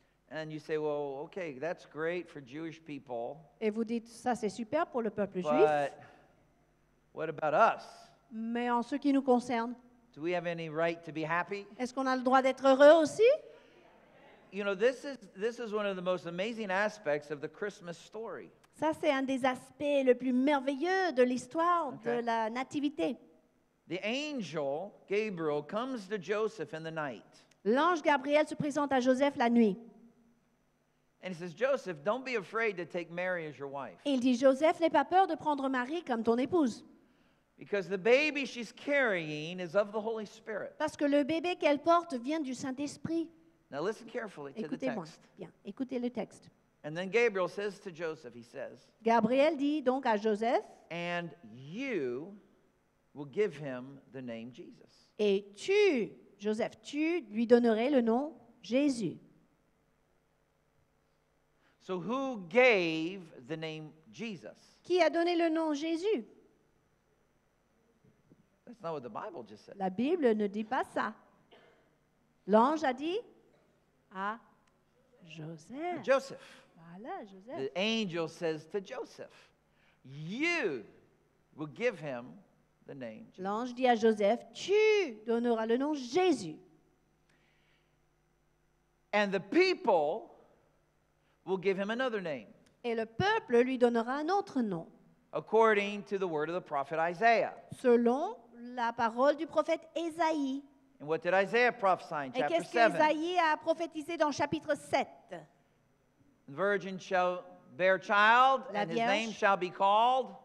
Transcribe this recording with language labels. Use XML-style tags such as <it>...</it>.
<en>And you say, well, okay, that's great for Jewish people.</en> <fr>Et vous dites, ça c'est super pour le peuple juif.</fr> <en>But what about us?</en> <fr>Mais en ce qui nous concerne.</fr> <en>Do we have any right to be happy?</en> <fr>Est-ce qu'on a le droit d'être heureux aussi?</fr> <en>You know, this is one of the most amazing aspects of the Christmas story.</en> <fr>Ça, c'est un des aspects les plus merveilleux de l'histoire de la nativité.</fr> <en>The angel Gabriel comes to Joseph in the night.</en> <fr>L'ange Gabriel se présente à Joseph la nuit.</fr> <en>And he says, Joseph, don't be afraid to take Mary as your wife.</en> <fr>Il dit, Joseph, n'aie pas peur de prendre Marie comme ton épouse.</fr> <en>Because the baby she's carrying is of the Holy Spirit.</en> <fr>Parce que le bébé qu'elle porte vient du Saint-Esprit.</fr> <en>Now listen carefully to the text.</en> <fr>Bien, écoutez le texte.</fr> <en>And then Gabriel says to Joseph, he says,</en> <fr>Gabriel dit donc à Joseph,</fr> <en>and you will give him the name Jesus.</en> <fr>Et tu, Joseph, tu lui donnerais le nom Jésus.</fr> <en>So who gave the name Jesus?</en> <fr>Qui a donné le nom Jésus?</fr> <en>That's not what the Bible just said.</en> <fr>La Bible ne dit pas ça. L'ange a dit à Joseph.</fr> <en>Joseph.</en> <fr>Voilà, Joseph.</fr> <en>The angel says to Joseph, you will give him the name Jesus.</en> <fr>L'ange dit à Joseph, tu donneras le nom Jésus.</fr> <en>And the people will give him another name.</en> <fr>Et le peuple lui donnera un autre nom.</fr> <en>According to the word of the prophet Isaiah.</en> <fr>Selon la parole du prophète Ésaïe.</fr> <en>And what did Isaiah prophesy in</en> <fr>Et</fr> <en>chapter 7?</en> <fr>Et qu'est-ce qu'Ésaïe a prophétisé dans chapitre 7?</fr> <en>The virgin shall bear child, and his name shall be called.</en>